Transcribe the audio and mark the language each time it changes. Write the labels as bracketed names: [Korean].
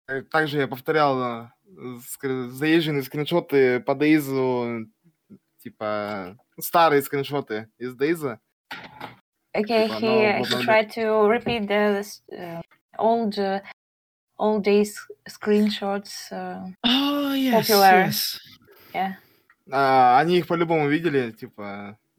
[Russian] Также я повторял заезженные скриншоты по Дейзу, типа старые скриншоты из Дейза. [English] Okay, [Russian] типа, [English] he tried to repeat the old Days screenshots. Yes. Yeah. [Russian] Они их по-любому видели, типа.